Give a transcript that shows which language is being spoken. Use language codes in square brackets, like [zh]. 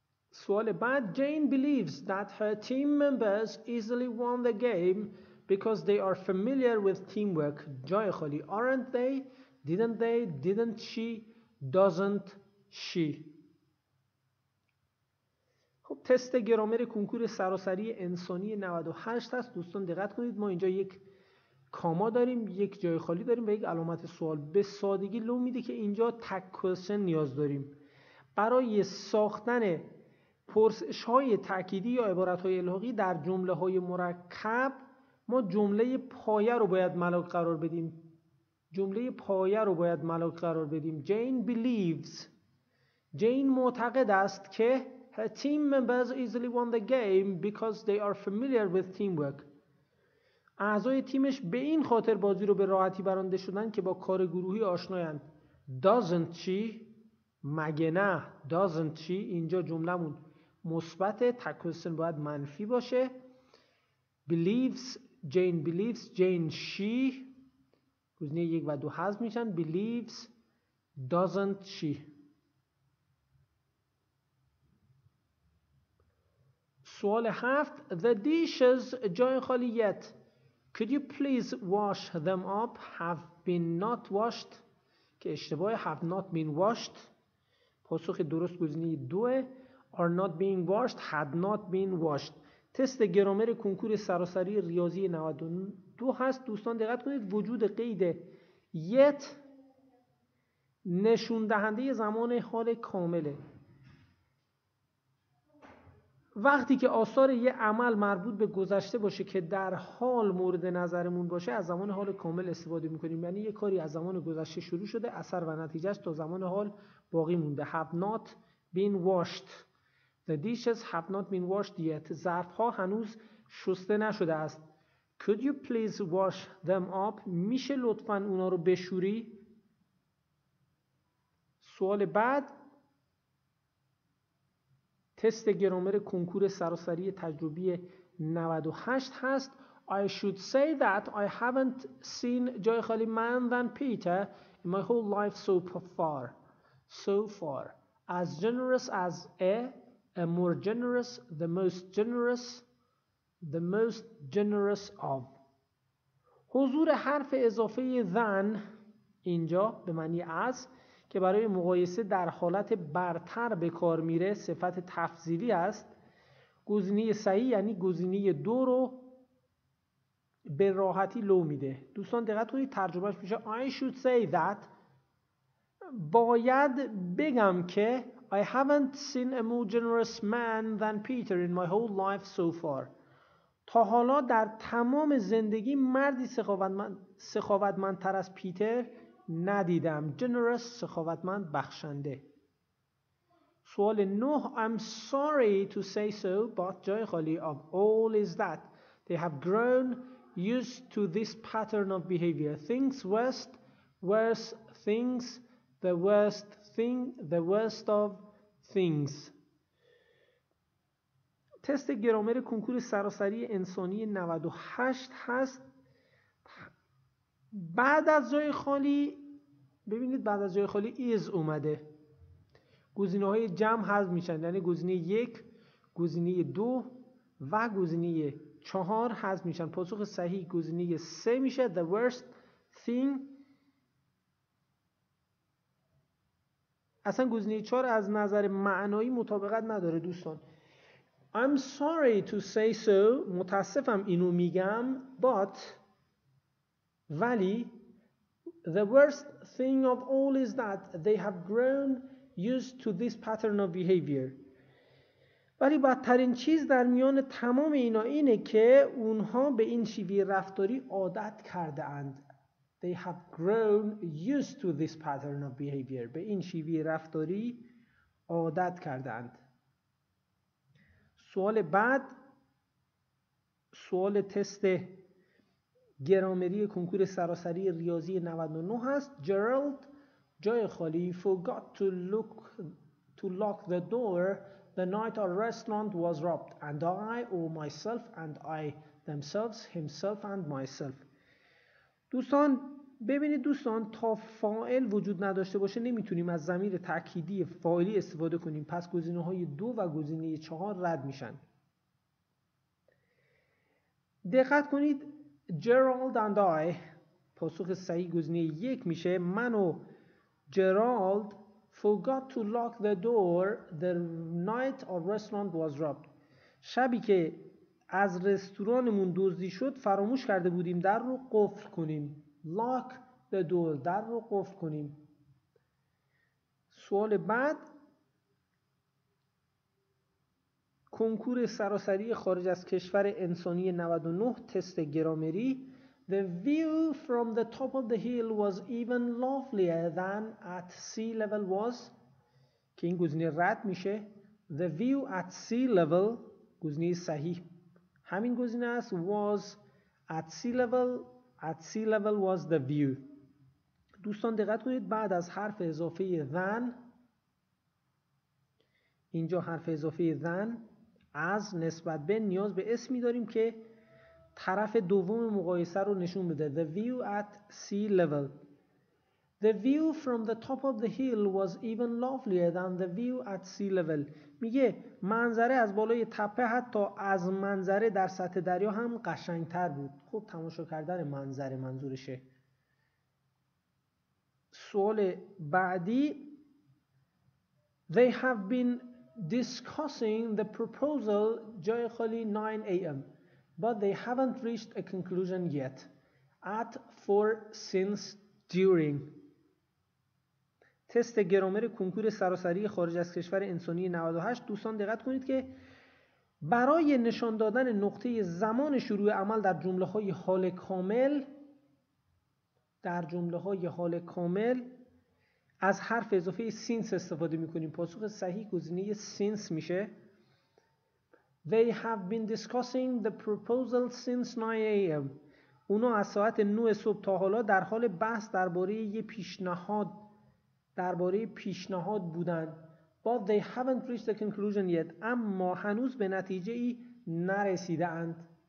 [fa] سوال بعد: [en] Jane believes that her team members easily won the game because they are familiar with teamwork. [fa] جای خالی: [en] aren't they, didn't they, didn't she, doesn't she. [fa] خب تست گرامر کنکور سراسری انسانی 98 هست. دوستان دقت کنید ما اینجا یک کاما داریم، یک جای خالی داریم و یک علامت سوال. به سادگی لو میده که اینجا تک کوشن نیاز داریم. برای ساختن پرسش های تأکیدی یا عبارت های الحاقی در جمله های مرکب ما جمله پایه رو باید ملاک قرار بدیم. جمله پایه رو باید ملاک قرار بدیم. [en] Jane believes، [fa] Jane معتقد است که [en] her team members easily won the game because they are familiar with teamwork. [fa] اعضای تیمش به این خاطر بازی رو به راحتی برنده شدن که با کار گروهی آشنایند. [en] Doesn't she، [fa] مگه نه. [en] Doesn't she، [fa] اینجا جمله مون مثبت، تکوسن باید منفی باشه. [en] believes Jane she، [fa] گزینه یک و دو حذف میشن. [en] believes doesn't she. [fa] سوال هفت: [en] the dishes [fa] جای خالی [en] yet، could you please wash them up، have been not washed، [fa] که اشتباه، [en] have not been washed. [fa] پاسخ درست گزینه دوه. [en] Are not being washed, had not been washed. [fa] تست گرامر کنکور سراسری ریاضی 92 هست. دوستان دقت کنید وجود قید yet نشون دهنده زمان حال کامله. وقتی که آثار یه عمل مربوط به گذشته باشه که در حال مورد نظرمون باشه از زمان حال کامل استفاده میکنیم. یعنی یه کاری از زمان گذشته شروع شده، اثر و نتیجهش تا زمان حال باقی مونده. [en] Have not been washed. The dishes have not been washed yet. [fa] ظرف ها هنوز شسته نشده است. [en] Could you please wash them up؟ [fa] میشه لطفاً اونا رو بشوری؟ سوال بعد: تست گرامر کنکور سراسری تجربی 98 هست. [en] I should say that I haven't seen [fa] جای خالی [en] man than Peter in my whole life so far. As generous as a، a more generous، the most generous of. [fa] حضور حرف اضافه than اینجا به معنی از که برای مقایسه در حالت برتر به کار میره صفت تفضیلی است. گزینه صحیح یعنی گزینه دو رو به راحتی لو میده. دوستان دقت کنید ترجمهش میشه [en] I should say that، [fa] باید بگم که [en] I haven't seen a more generous man than Peter in my whole life so far. [fa] تا حالا در تمام زندگی مردی سخاوتمندتر از پیتر ندیدم. Generous، سخاوتمند، بخشنده. سوال 9: [en] I'm sorry to say so, but [fa] جای خالی [en] of all is that they have grown used to this pattern of behavior. Things worse things, the worst thing, the worst of things. [fa] تست گرامر کنکور سراسری انسانی 98 هست. بعد از جای خالی، ببینید بعد از جای خالی is اومده، گزینه های جمع حذف میشن، یعنی گزینه یک، گزینه دو و گزینه چهار حذف میشن. پاسخ صحیح گزینه سه میشه، [en] the worst thing. [fa] اصلا گزینه چهار از نظر معنایی مطابقت نداره دوستان. [en] I'm sorry to say so، [fa] متاسفم اینو میگم، [en] but ولی the worst thing of all is that they have grown used to this pattern of behavior. [fa] ولی بدترین چیز در میان تمام اینا اینه که اونها به این شیوه رفتاری عادت کرده اند. [en] They have grown used to this pattern of behavior. [fa] به این شیوه رفتاری عادت کرده اند. سوال بعد، سوال تست گرامری کنکور سراسری ریاضی 99 هست. [en] Gerald [fa] جای خالی [en] forgot to lock the door the night our restaurant was robbed and I or myself and I themselves himself and myself. [fa] دوستان ببینید، دوستان تا فاعل وجود نداشته باشه نمیتونیم از ضمیر تأکیدی فاعلی استفاده کنیم، پس گزینه های دو و گزینه چهار رد میشن. دقت کنید، جرالد [en] and I، [fa] پاسخ صحیح گزینه یک میشه، من و جرالد [en] forgot to lock the door the night our restaurant was robbed. [fa] شبی که از رستورانمون دزدی شد فراموش کرده بودیم در رو قفل کنیم. [en] Lock the door، [fa] در رو قفل کنیم. سوال بعد، کنکور سراسری خارج از کشور انسانی 99 تست گرامری. [en] The view from the top of the hill was even lovelier than at sea level was. [fa] که این گزینه رد میشه. [en] The view at sea level، [fa] گزینه صحیح همین گزینه است، [en] was at sea level. At sea level was the view. [fa] دوستان دقت کنید، بعد از حرف اضافه than، اینجا حرف اضافه than، از نسبت به، نیاز به اسمی داریم که طرف دوم مقایسه رو نشون بده. [en] The view at sea level. The view from the top of the hill was even lovelier than the view at sea level. [fa] میگه منظره از بالای تپه حتی از منظره در سطح دریا هم قشنگتر بود. خب تماشا کردن منظره منظورشه. سوال بعدی، [en] They have been discussing the proposal [fa] جای خالی [en] 9 a.m. but they haven't reached a conclusion yet. At, for, since, during. [fa] تست گرامر کنکور سراسری خارج از کشور انسانی 98. دوستان دقت کنید که برای نشان دادن نقطه زمان شروع عمل در جمله های حال کامل، در جمله های حال کامل از حرف اضافه since استفاده میکنیم. پاسخ صحیح گزینه since میشه. [en] They have been discussing the proposal since 9 a.m. [fa] اونا از ساعت 9 صبح تا حالا در حال بحث درباره یه پیشنهاد، درباره پیشنهاد بودن. [en] But they haven't reached the conclusion yet. [fa] اما هنوز به نتیجه ای نرسیده اند.